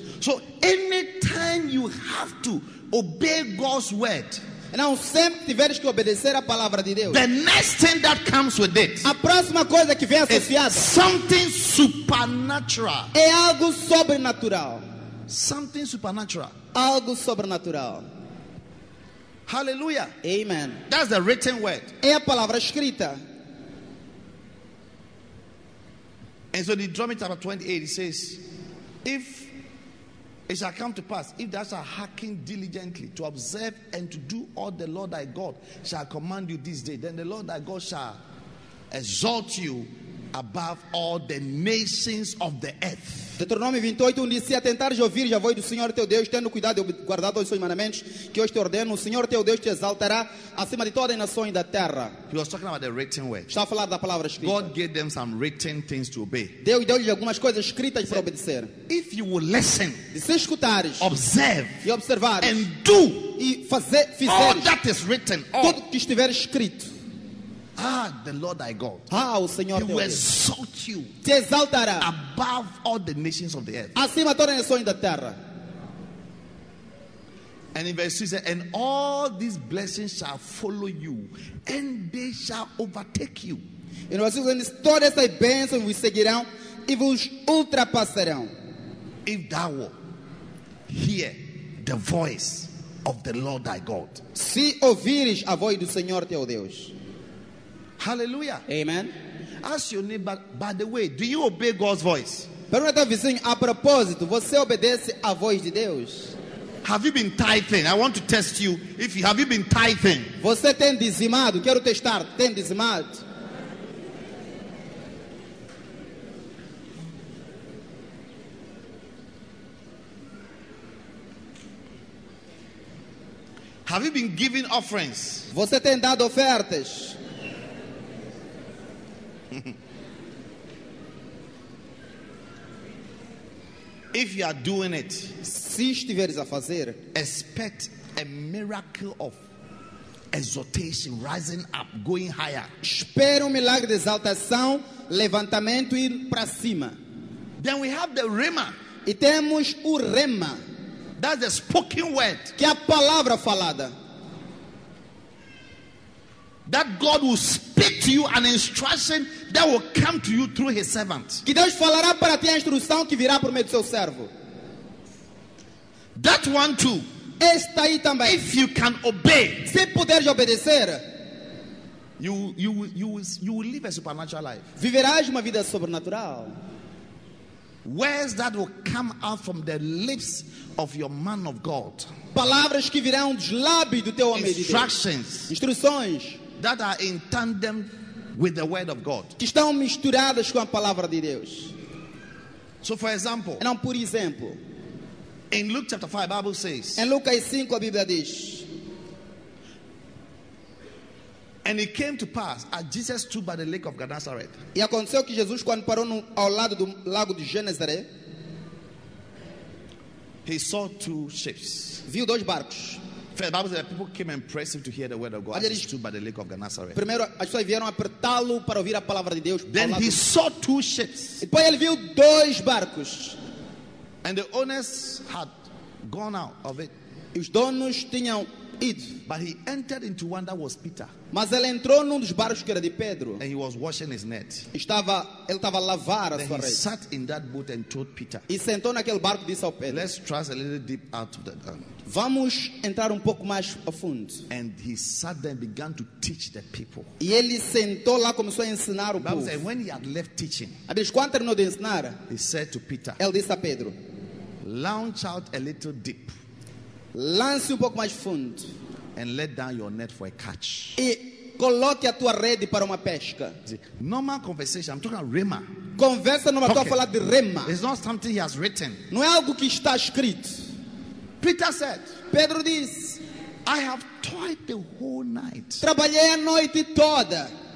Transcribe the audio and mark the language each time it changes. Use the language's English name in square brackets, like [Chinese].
[English] So anytime you have to obey God's word, [Portuguese] não sempre tiveres que obedecer a palavra de Deus. [English] The next thing that comes with it, [Portuguese] a próxima coisa que vem associada, [English] something supernatural, [Portuguese] é algo sobrenatural. [English] Something supernatural, [Portuguese] algo sobrenatural. [English] Hallelujah. [Portuguese] Amen. [English] That's the written word, [Portuguese] é a palavra escrita. [English] And so the Deuteronomy chapter 28, it says, if it shall come to pass, if thou shalt hearken diligently to observe and to do all the Lord thy God shall command you this day, then the Lord thy God shall exalt you above all the nations of the earth. [Portuguese] Deuteronômio 28, onde se atentares ouvir a voz do Senhor teu Deus, tendo cuidado e guardado os seus mandamentos que hoje te ordeno, o Senhor teu Deus te exaltará acima de todas as nações da terra. [English] He was talking about the written word. [Portuguese] Está a falar da palavra escrita. [English] God gave them some written things to obey. [Portuguese] Deus deu-lhes algumas coisas escritas para obedecer. [English] If you will listen, [Portuguese] e se escutares, [English] observe, [Portuguese] e observares, [English] and do, [Portuguese] e fizeres, [English] all that is written, [Portuguese] tudo que estiver escrito, [English] Ah, the Lord thy God. [Portuguese] Ah, o Senhor teu Deus. [English] He will exalt you. [Portuguese] Te exaltará. [English] Above all the nations of the earth. [Portuguese] Acima todas as nações da terra. [English] And in verse 2 says, and all these blessings shall follow you, and they shall overtake you. In verse 2 says, [Portuguese] todas as bênçãos vos seguirão e vos ultrapassarão. [English] If thou wilt hear the voice of the Lord thy God. [Portuguese] Se ouvires a voz do Senhor teu Deus. [English] Hallelujah. [Portuguese] Amen. [English] Ask your neighbor, by the way, do you obey God's voice? [Portuguese] Pergunta ao vizinho, a propósito, você obedece a voz de Deus? [English] Have you been tithing? I want to test you. If you have you been tithing? [Portuguese] Você tem dizimado? Quero testar. Tem dizimado? [English] Have you been giving offerings? [Portuguese] Você tem dado ofertas? [English] If you are doing it, [Portuguese] se estiveres a fazer, [English] expect a miracle of exaltation, rising up, going higher. [Portuguese] Espera milagre de exaltação, levantamento e ir para cima. [English] Then we have the rema. [Portuguese] E temos o rema. [English] That's the spoken word. [Portuguese] Que é a palavra falada. [English] That God will speak to you an instruction that will come to you through his servant. [Portuguese] Que Deus falará para ti a instrução que virá por meio do seu servo. [English] That one too. [Portuguese] Esta aí também. [English] If you can obey. [Portuguese] Se puderes obedecer. [English] You will live a supernatural life. [Portuguese] Viverás uma vida sobrenatural. [English] Words that will come out from the lips of your man of God. [Portuguese] Palavras que virão dos lábios do teu homem de Deus. [English] Instructions. [Portuguese] Instruções. [English] That are in tandem with the word of God. [Portuguese] Que estão misturadas com a palavra de Deus. [English] So for example. [Portuguese] Então, por exemplo. [English] In Luke chapter 5, Bible says. [Portuguese] Em Lucas 5, a Bíblia diz. [English] And it came to pass as Jesus stood by the lake of Gennesaret. [Portuguese] E aconteceu que Jesus, quando parou no, ao lado do lago de Genesaré, [English] he saw two ships. [Portuguese] Viu dois barcos. [English] First, the Bible says that people came and pressed him to hear the word of God. He stood by the lake of Gennesaret. [Portuguese] Primeiro, as pessoas vieram apertá-lo para ouvir a palavra de Deus. [English] Then he saw two ships. [Portuguese] Depois ele viu dois barcos. [English] And the owners had gone out of it. [Portuguese] E os donos tinham ido. [English] But he entered into one that was Peter. [Portuguese] Mas ele entrou num dos barcos que era de Pedro. [English] And he was washing his net. [Portuguese] Ele estava a lavar a [English] then [Portuguese] sua rede. [English] Then he sat in that boat and told Peter. [Portuguese] E sentou naquele barco e disse ao Pedro. [English] Let's trust a little deep out of the. [Portuguese] Vamos entrar um pouco mais a fundo. [English] And he sat there and began to teach the people. [Portuguese] E ele sentou lá e começou a ensinar o povo. [English] Said, when he had left teaching, [Portuguese] a Deus, quando terminou de ensinar, [English] he said to Peter, [Portuguese] ele disse a Pedro, [English] launch out a little deep. [Portuguese] Lance um pouco mais fundo. [English] And let down your net for a catch. [Portuguese] E coloque a tua rede para uma pesca. [English] Normal conversation, I'm talking about rema. [Portuguese] Conversa normal, estou a falar de rema. [English] It's not something he has written. [Portuguese] Não é algo que está escrito. [English] Peter said, [Portuguese] Pedro diz, [English] I have toiled the whole night. [Portuguese] Trabalhei a noite toda.